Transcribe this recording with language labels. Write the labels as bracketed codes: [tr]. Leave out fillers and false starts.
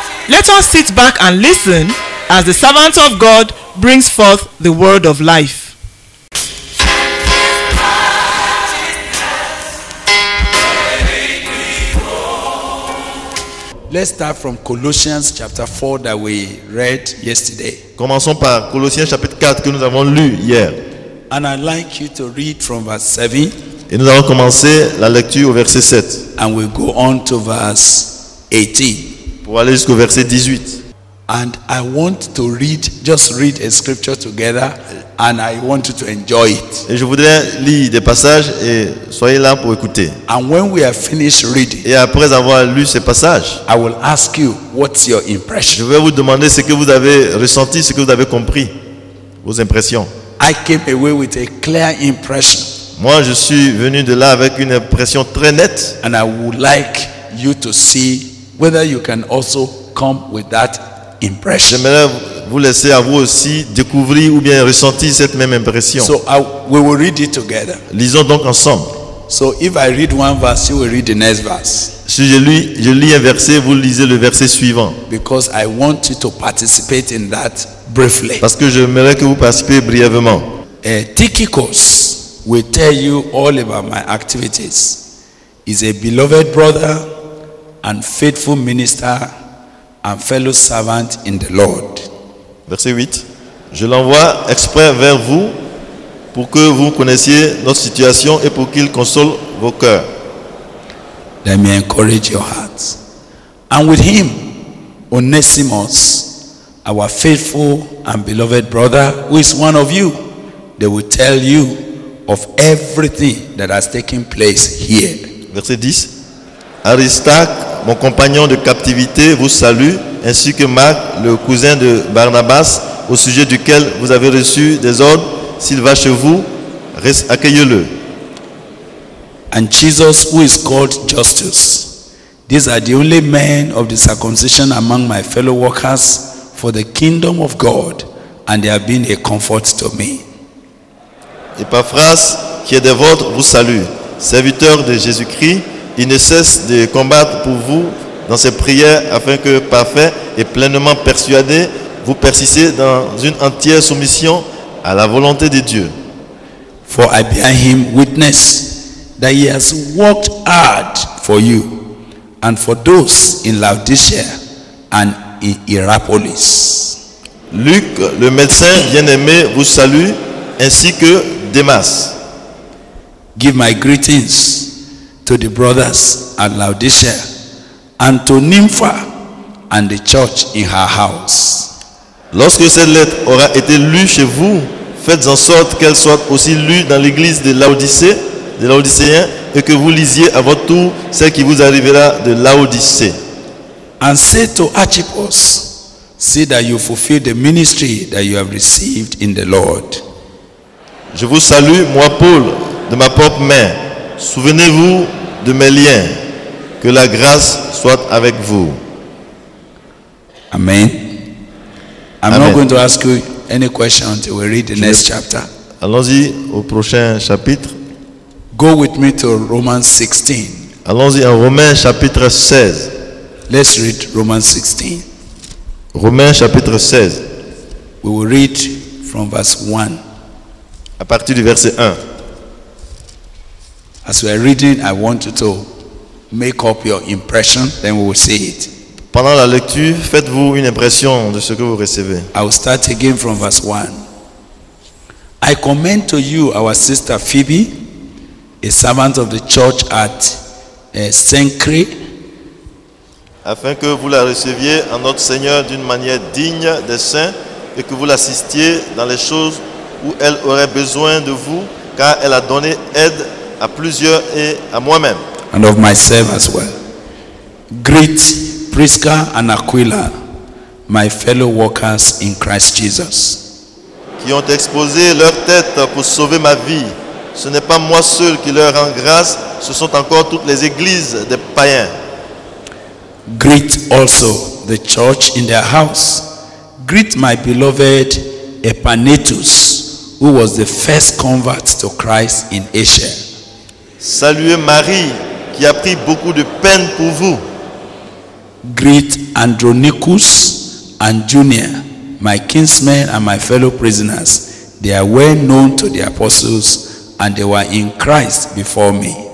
[en] Let us sit back and listen as the servant of God brings forth the word of life. Let's start from Colossians chapter 4 that we read yesterday. [fr] Commençons par Colossiens chapitre 4 que nous avons lu hier. [en] And I'd like you to read from verse 7. [fr] Et nous allons commencer la lecture au verset 7. [en] And we'll go on to verse 18. [fr] Pour aller jusqu'au verset 18. [en] And I want to read, just read a scripture together, and I want you to enjoy it. [fr] Et je voudrais lire des passages et soyez là pour écouter. [en] And when we are finished reading, [fr] et après avoir lu ces passages, [en] I will ask you what's your impression. [fr] Je vais vous demander ce que vous avez ressenti, ce que vous avez compris, vos impressions. [en] I came away with a clear impression. [fr] Moi, je suis venu de là avec une impression très nette. [en] And I would like you to see whether you can also come with that. [fr] J'aimerais vous laisser à vous aussi découvrir ou bien ressentir cette même impression. [en] So we will read it together. [fr] Lisons donc ensemble. [en] So if I read one verse, you will read the next verse. [fr] Si je lis un verset, vous lisez le verset suivant. [en] Because I want you to participate in that briefly. [fr] Parce que j'aimerais que vous participiez brièvement. [en] Tychicus will tell you all about my activities. He's a beloved brother and faithful minister. And fellow servant in the Lord. [fr] Verset 8. Je l'envoie exprès vers vous pour que vous connaissiez notre situation et pour qu'il console vos cœurs. [en] Let me encourage your hearts. And with him, Onesimus, our faithful and beloved brother, who is one of you, they will tell you of everything that has taken place here. [fr] Verset 10. Aristarque, mon compagnon de captivité, vous salue, ainsi que Marc, le cousin de Barnabas, au sujet duquel vous avez reçu des ordres. S'il va chez vous, accueillez-le. [en] And Jesus, who is called Justice. These are the only men of the circumcision among my fellow workers for the kingdom of God, and they have been a comfort to me. [fr] Epaphras, qui est des vôtres, vous salue, serviteur de Jésus-Christ. Il ne cesse de combattre pour vous dans ses prières afin que, parfait et pleinement persuadé, vous persistiez dans une entière soumission à la volonté de Dieu. [en] For I bear him witness that he has worked hard for you and for those in Laodicea and in Hierapolis. [fr] Luc, le médecin bien-aimé, vous salue, ainsi que Demas. [en] Give my greetings to the brothers at Laodicea, and to Nympha, and the church in her house. [fr] Lorsque cette lettre aura été lue chez vous, faites en sorte qu'elle soit aussi lue dans l'église de Laodicée, de Laodicéens, et que vous lisiez à votre tour celle qui vous arrivera de Laodicée. [en] And say to Archippus, see that you fulfill the ministry that you have received in the Lord. [fr] Je vous salue, moi Paul, de ma propre main. Souvenez-vous de mes liens. Que la grâce soit avec vous. Amen. [en] I'm not going to ask you any question until we read the next chapter. [fr] Allons-y au prochain chapitre. [en] Go with me to Romans 16. [fr] Allons-y en Romains chapitre 16. [en] Let's read Romans 16. [fr] Romains chapitre 16. [en] We will read from verse 1. [fr] À partir du verset 1. [en] As we are reading, I want you to make up your impression, then we will see it. [fr] Pendant la lecture, faites-vous une impression de ce que vous recevez. [en] I will start again from verse 1. I commend to you our sister Phoebe, a servant of the church at Sancre, [fr] afin que vous la receviez en notre Seigneur d'une manière digne des saints et que vous l'assistiez dans les choses où elle aurait besoin de vous, car elle a donné aide à plusieurs et à moi-même. [en] And of myself as well. Greet Prisca and Aquila, my fellow workers in Christ Jesus. [fr] Qui ont exposé leur tête pour sauver ma vie. Ce n'est pas moi seul qui leur rend grâce, ce sont encore toutes les églises des païens. [en] Greet also the church in their house. Greet my beloved Epanetus, who was the first convert to Christ in Asia. [fr] Saluez Marie, qui a pris beaucoup de peine pour vous. [en] Greet Andronicus and Junia, my kinsmen and my fellow prisoners. They are well known to the apostles and they were in Christ before me.